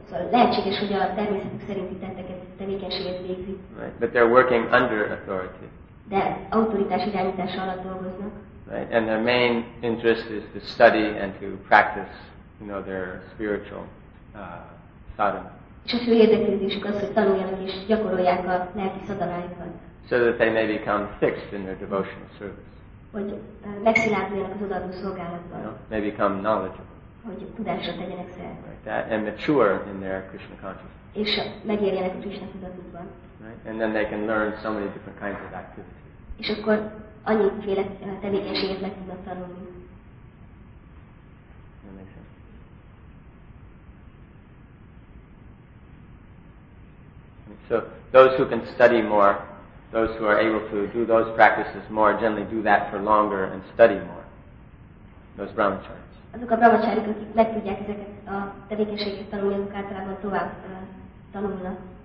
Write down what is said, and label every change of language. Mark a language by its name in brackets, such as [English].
[Hungarian] Lehetséges, hogy a természetük szerinti tetteket, tevékenységet végzik. [English] Right. But they're working under authority. [Hungarian] De autoritás irányítása alatt dolgoznak. [English] Right. And their main interest is to study and to practice, you know, their spiritual sadhana. [Hungarian] És a fő érdeklődésük az, hogy tanuljanak és gyakorolják a lelki szadalájukat. [English] So that they may become fixed in their devotional service. [Hungarian] Hogy megszilárduljanak az odaadó szolgálatban. [English] No, may become knowledgeable. [Hungarian] Hogy tudásra tegyenek szert. [English] Right, that, and mature in their Krishna consciousness. [Hungarian] És megérjenek a Krishna tudatukban. [English] Right, and then they can learn so many different kinds of activities. [Hungarian] És akkor annyiféle tevékenységet meg tudnak tanulni. [English] So those who can study more, those who are able to do those practices more, generally do that for longer and study more. Those brahmacharis. [Hungarian] Azok a brahmacharik, akik meg tudják ezeket a tevékenységet tanulni, azok általában tovább tanulnak.